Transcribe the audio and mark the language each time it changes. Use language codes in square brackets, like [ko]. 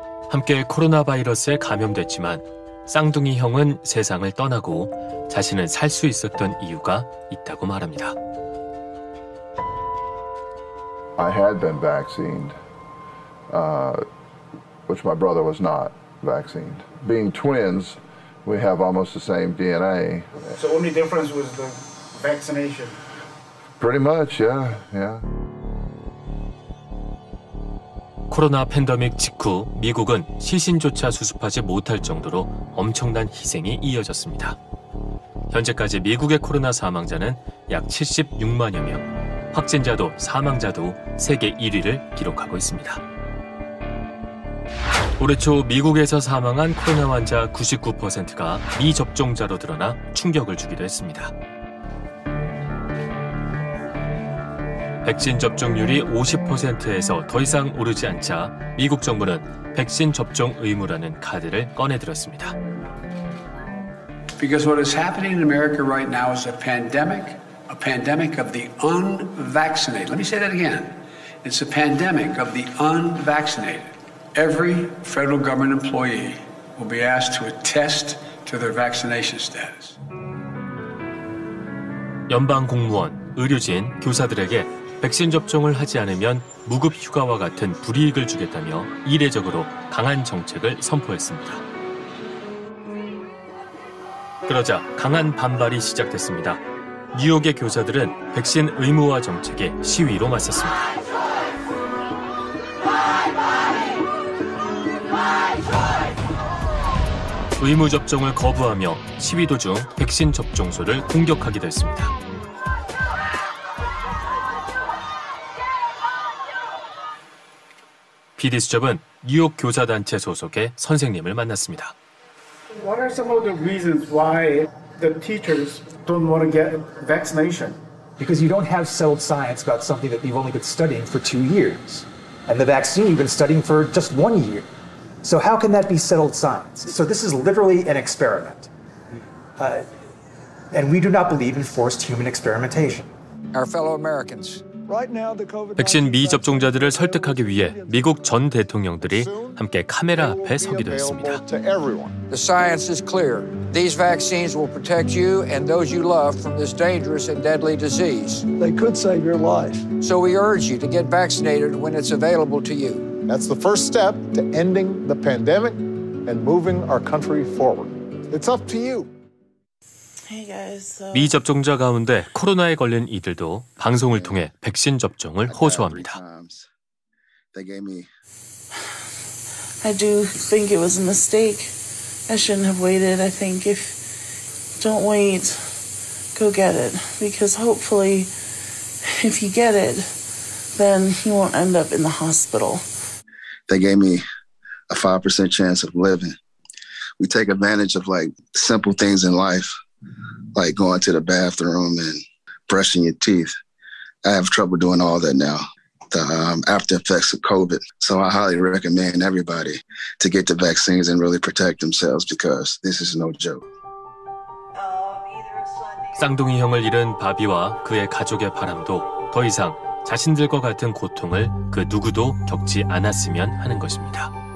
[ko] 함께 코로나 바이러스에 감염됐지만 쌍둥이 형은 세상을 떠나고 자신은 살 수 있었던 이유가 있다고 말합니다. [en] I had been vaccinated, which my brother was not vaccinated. Being twins, we have almost the same DNA. So only difference was the vaccination. Pretty much, yeah, yeah. [ko] 코로나 팬데믹 직후 미국은 시신조차 수습하지 못할 정도로 엄청난 희생이 이어졌습니다. 현재까지 미국의 코로나 사망자는 약 76만여 명, 확진자도 사망자도 세계 1위를 기록하고 있습니다. 올해 초 미국에서 사망한 코로나 환자 99%가 미접종자로 드러나 충격을 주기도 했습니다. 백신 접종률이 50%에서 더 이상 오르지 않자 미국 정부는 백신 접종 의무라는 카드를 꺼내들었습니다. [en] Because what is happening in America right now is a pandemic of the unvaccinated. Let me say that again. It's a pandemic of the unvaccinated. Every federal government employee will be asked to attest to their vaccination status. [ko] 연방 공무원, 의료진, 교사들에게 백신 접종을 하지 않으면 무급 휴가와 같은 불이익을 주겠다며 이례적으로 강한 정책을 선포했습니다. 그러자 강한 반발이 시작됐습니다. 뉴욕의 교사들은 백신 의무화 정책에 시위로 맞섰습니다. 의무 접종을 거부하며 시위 도중 백신 접종소를 공격하기도 했습니다. 비디 수첩은 뉴욕 교사 단체 소속의 선생님을 만났습니다. [en] What are some of the reasons why the teachers don't want to get vaccination? Because you don't have settled science about something that you've only been studying for 2 years, and the vaccine you've been studying for just 1 year. So how can that be settled science? So this is literally an experiment, and we do not believe in forced human experimentation. Our fellow Americans. [ko] 백신 미접종자들을 설득하기 위해 미국 전 대통령들이 함께 카메라 앞에 서기도 했습니다. [en] The science is clear. These vaccines will protect you and those you love from this dangerous and deadly disease. They could save your life. So we urge you to get vaccinated when it's available to you. That's the first step to ending the pandemic and moving our country forward. It's up to you. Hey guys, so [ko] 미접종자 가운데 코로나에 걸린 이들도 방송을 통해 백신 접종을 호소합니다. [en] I do think it was a mistake. I shouldn't have waited. I think if don't wait, go get it. Because hopefully if you get it, then you won't end up in the hospital. They gave me a 5% chance of living. We take advantage of like simple things in life. Like going to the bathroom and brushing your teeth. I have trouble doing all that now, the after effects of COVID. So I highly recommend everybody to get the vaccines and really protect themselves because this is no joke. [ko] 쌍둥이 형을 잃은 바비와 그의 가족의 바람도 더 이상 자신들과 같은 고통을 그 누구도 겪지 않았으면 하는 것입니다.